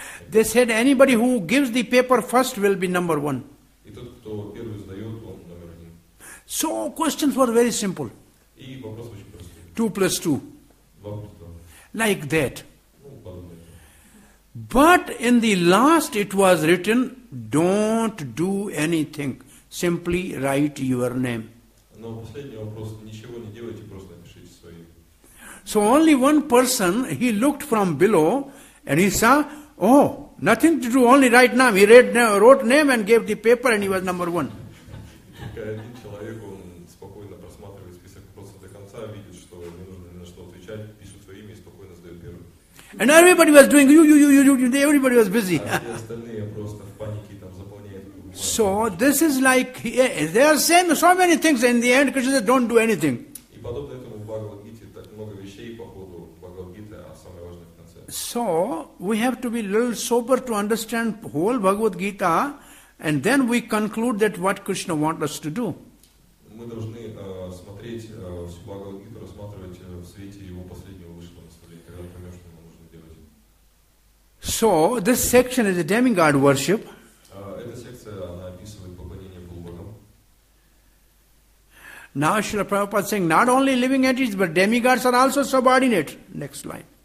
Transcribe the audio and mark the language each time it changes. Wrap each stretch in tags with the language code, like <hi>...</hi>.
<en>They said anybody who gives the paper first will be number one.</en> <ru>И тот, кто первый сдает, он номер один.</ru> <en>So questions were very simple.</en> <ru>И вопрос очень простой.</ru> <en>2 + 2.</en> <ru>2 + 2.</ru> <en>Like that.</en> <ru>Ну, подобное.</ru> <en>But in the last it was written, don't do anything. Simply write your name.</en> <ru>Но последний вопрос, ничего не делайте, просто напишите свое.</ru> <en>So only one person, he looked from below and he saw, oh, nothing to do, only write name. He read, wrote name and gave the paper and he was number one.</en> <ru>Один человек, он спокойно просматривает список вопросов до конца, видит, что не нужно ни на что отвечать, пишет свое имя и спокойно сдает первый.</ru> <en>And everybody was doing you, everybody was busy.</en> <ru>Остальные просто в панике там заполняют.</ru> <en>So this is like, they are saying so many things, in the end Krishna says, don't do anything.</en> <ru>И подобно этому в Бхагавад-гите так много вещей по ходу Бхагавад-гиты, а самое важное в конце.</ru> <en>So we have to be a little sober to understand whole Bhagavad Gita, and then we conclude that what Krishna wants us to do.</en> <ru>Мы должны смотреть всю Бхагавад Гиту, рассматривать в свете его последнего высшего наставления, когда поймем, что нам нужно делать.</ru> <en>So this section is a demigod worship.</en> <ru>Эта секция она описывает поклонение полубогам.</ru> <en>Now Srila Prabhupada saying not only living entities but demigods are also subordinate. Next line.</en>